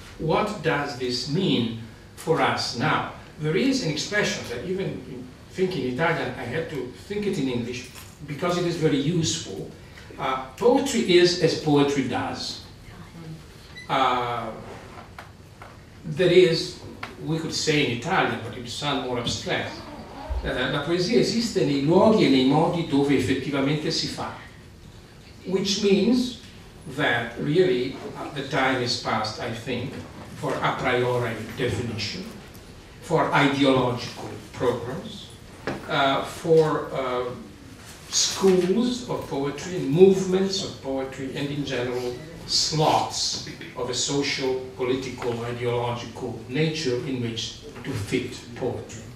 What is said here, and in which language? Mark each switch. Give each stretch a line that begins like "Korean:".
English: What does this mean for us now? There is an expression that even in thinking Italian, I had to think it in English because it is very useful. Poetry is as poetry does. That is, we could say in Italian, but it would sound more abstract.
Italian: La poesia esiste nei luoghi e nei modi dove effettivamente si fa.
English: Which means that really the time is past, I think, for a priori definition, for ideological programs, for schools of poetry and movements of poetry, and in general slots of a social, political, ideological nature in which to fit poetry.